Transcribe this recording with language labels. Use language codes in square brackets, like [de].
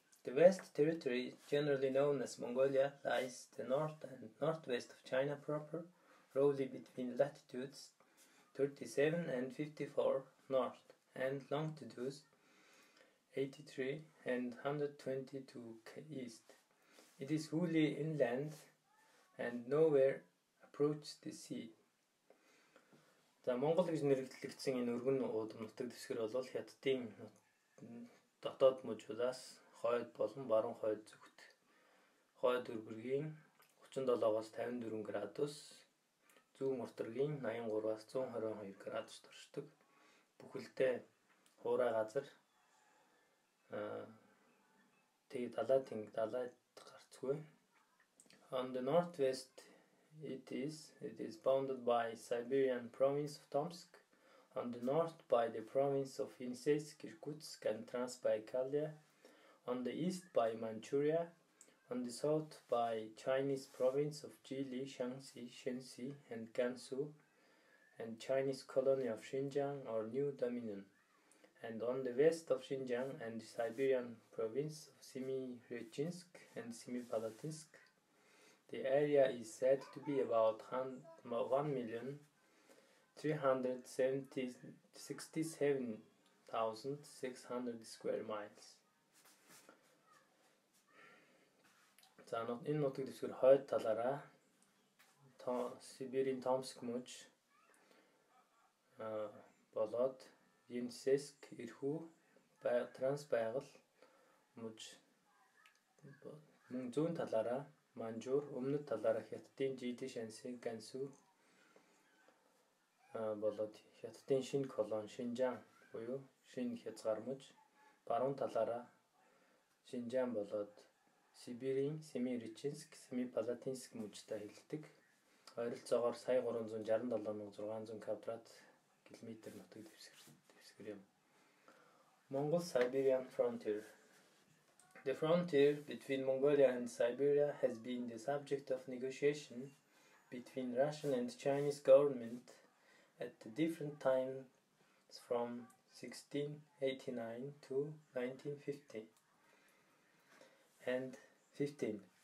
[en] The vast territory, generally known as Mongolia, lies the north and northwest of China proper, roughly between latitudes 37 and 54 north and longitudes 83 and 122 east. It is wholly inland and nowhere approaches the sea. [mn] За Монгол гэж нэрлэгдсэн энэ өргөн уудам нутаг дэвсгэр бол хятадын дотоод мужуудаас хойд болон баруун хойд зүгт хойд өргөргийн 37-аас 54 градус зүүн мортргийн 83-аас 122 градус төршдөг бүхэлдээ хуурай газар тэгээ далай тэнгэ далайд гарцгүй. On the northwest It is bounded by Siberian province of Tomsk, on the north by the province of Insetsk, Irkutsk and Transbaikalia, on the east by Manchuria, on the south by Chinese province of Jili, Shaanxi, Shenxi and Gansu, and Chinese colony of Xinjiang or New Dominion, and on the west of Xinjiang and the Siberian province of Semirechinsk and Semipalatinsk. The area is said to be about 1,367,600 square miles. За энэ нутаг дэвсгэр хойд талаараа Сибирийн Томск мужид болоод Енисейск, Ирхүү, Трансбайкал мужид мөн зүүн талаараа Манжуур өмнөд талаараа Хятадын Жили, Шаньси, Гансу болоод Хятадын шинэ колон Шинжаан буюу шинэ хязгаар мужид баруун талаараа Шинжаан болоод Сибирийн Семиречинск, Семипалатинск мужидтай хэлдэг ойролцоогоор 367,600 квадрат километр нутаг дэвсгэр юм. [en] Mongol-Siberian frontier. The frontier between Mongolia and Siberia has been the subject of negotiation between Russian and Chinese government at the different times from 1689 to 1915.